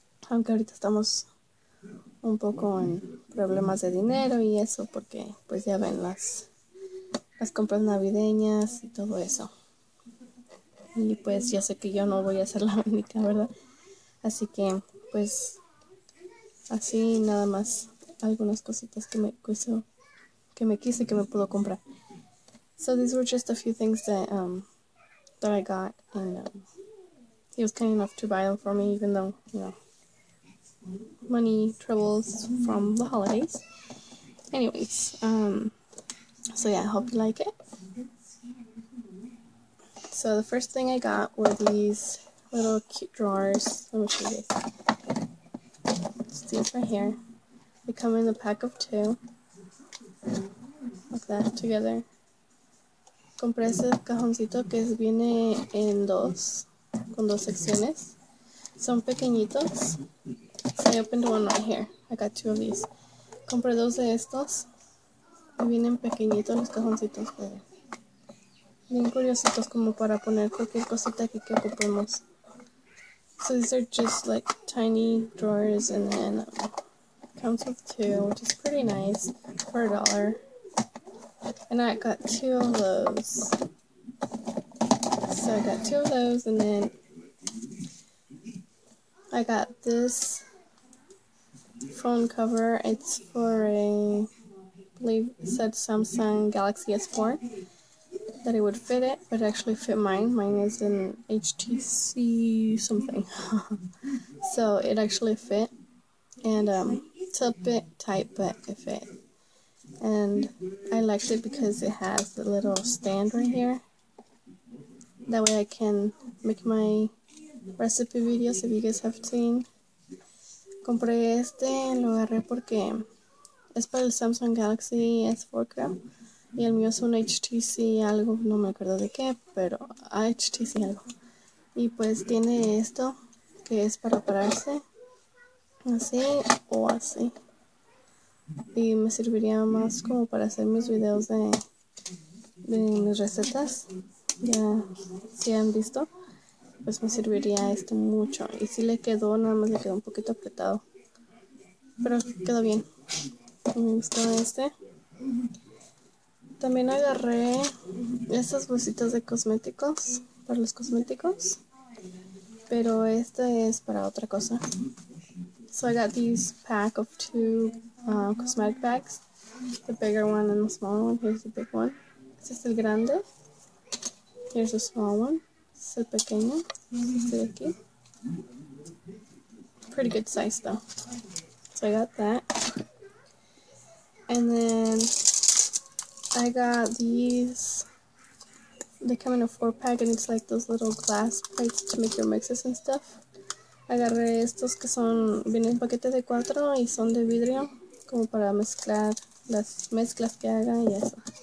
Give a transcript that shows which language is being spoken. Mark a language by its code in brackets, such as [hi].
[es] Aunque ahorita estamos un poco en problemas de dinero y eso, porque pues ya ven las compras navideñas y todo eso. Y pues ya sé que yo no voy a ser la única, ¿verdad? Así que pues así nada más algunas cositas que me pudo comprar. [en] So these were just a few things that I got, and he was kind enough to buy them for me, even though, you know, money troubles from the holidays. Anyways, so yeah, I hope you like it. So the first thing I got were these little cute drawers. Let me show you guys. It's these right here. They come in a pack of two. Like that, together. [es] Compré ese cajoncito que viene en dos, con dos secciones. Son pequeñitos. [en] So I opened one right here. I got two of these. [es] Compré dos de estos. Y vienen pequeñitos los cajoncitos. Bien curiositos como para poner cualquier cosita aquí que ocupemos. [en] So these are just like tiny drawers. And then comes with two, which is pretty nice. For a dollar. And I got two of those. So I got two of those. And then I got this phone cover. It's for a, I believe it said Samsung Galaxy S4, that it would fit it, but it actually fit mine. Mine is an HTC something. So it actually fit, and it's a bit tight, but it fit. And I liked it because it has a little stand right here. That way I can make my recipe videos, if you guys have seen. [es] Compré este, lo agarré porque es para el Samsung Galaxy S4, creo. Y el mío es un HTC algo, no me acuerdo de qué, pero HTC algo. Y pues tiene esto, que es para pararse, así o así. Y me serviría más como para hacer mis videos de mis recetas. Ya, si han visto, pues me serviría esto mucho. Y si le quedó, nada más le quedó un poquito apretado, pero quedó bien. Me gustó este. También agarré estas bolsitas de cosméticos, para los cosméticos, pero este es para otra cosa. [en] So I got these pack of two cosmetic bags, the bigger one and the small one. Here's the big one. [es] Este es el grande. [en] Here's the small one. [es] Es el pequeño, este de aquí. [en] Pretty good size though. So I got that. And then I got these. They come in a 4-pack and it's like those little glass plates to make your mixes and stuff. [es] Agarré estos que son, vienen paquete de 4 y son de vidrio, como para mezclar las mezclas que haga y eso.